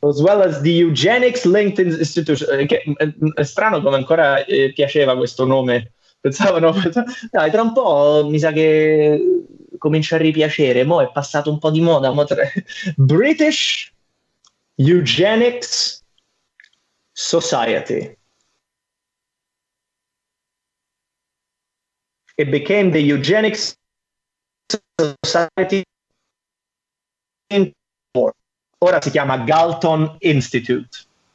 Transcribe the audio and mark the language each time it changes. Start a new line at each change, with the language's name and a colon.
English: As well as the Eugenics LinkedIn Institution.
Italian: È strano come ancora piaceva questo nome. Pensavano, dai, tra un po' mi sa che comincia a ripiacere, mo è passato un po' di moda.
English: British Eugenics Society. It became the Eugenics Society in war.
Italian: Ora si chiama Galton Institute.